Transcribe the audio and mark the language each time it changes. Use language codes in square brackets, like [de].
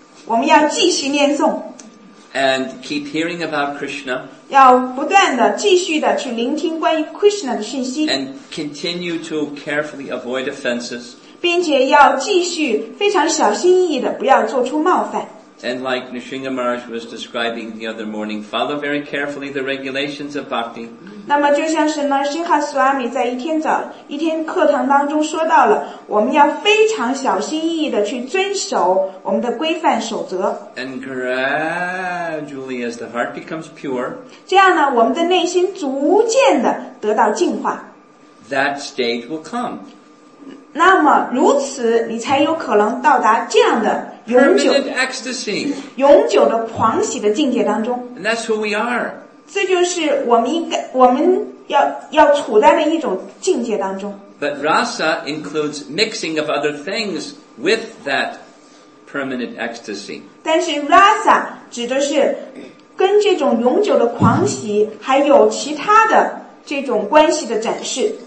[zh] 我们要继续念诵。 [en] And keep hearing about Krishna. [zh] 要不断的继续的去聆听关于 Krishna 的讯息。 [en] And continue to carefully avoid offenses. [zh] 并且要继续非常小心翼翼的不要做出冒犯。 [en] And like Nrisimha Maharaj was describing the other morning, follow very carefully the regulations of bhakti. [zh] 那么就像是 Nrisimha Swami 在一天课堂当中说到了，我们要非常小心翼翼的去遵守我们的规范守则。 [en] And gradually as the heart becomes pure, [zh] 这样呢，我们的内心逐渐的得到净化。 [en] That stage will come. [zh] 那么如此你才有可能到达这样的永久的狂喜的境界当中。 [en] And that's who we are. [zh] 这就是我们 要处在的一种境界当中。 [en] But rasa includes mixing of other things with that permanent ecstasy. [zh] 但是 rasa 指的是跟这种永久的狂喜还有其他的这种关系的展示。